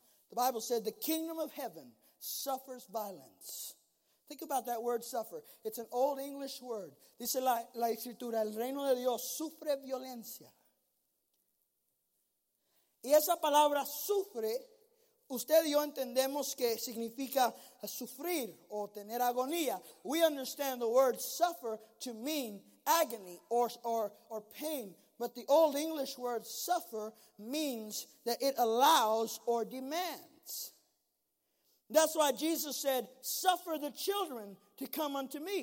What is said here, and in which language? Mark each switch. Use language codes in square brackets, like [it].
[en] The Bible said the kingdom of heaven suffers violence. Think about that word suffer. It's an old English word. [es] Dice la escritura, el reino de Dios sufre violencia. Y esa palabra sufre, usted y yo entendemos que significa sufrir o tener agonía. [en] We understand the word suffer to mean agony or pain. But the old English word suffer means that it allows or demands. That's why Jesus said, suffer the children to come unto me.